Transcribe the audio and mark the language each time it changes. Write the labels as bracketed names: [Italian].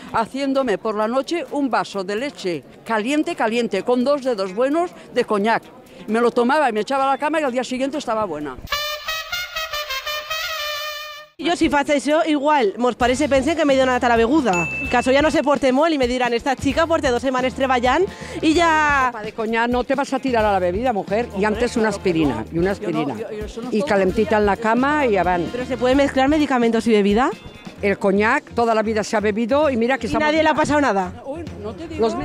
[Spanish] Haciéndome por la noche un vaso de leche caliente, caliente, con dos dedos buenos de coñac. Me lo tomaba y me echaba a la cama y al día siguiente estaba buena. [Catalan] Yo si faig això, igual, mos pares se pensen que m'he donat a la beguda. Que això ja no se porte molt i me diran, [Spanish] esta chica [Catalan] porta dos setmanes treballant i ja... [Spanish] Para de coñac no te vas a tirar a la bebida, mujer. Hombre, y antes una aspirina, no. Y una aspirina. Y no calentita en la cama y avant. ¿Pero se puede mezclar medicamentos y bebida? El coñac, toda la vida se ha bebido y mira que... ¿Y nadie le ha pasado nada? No te digo.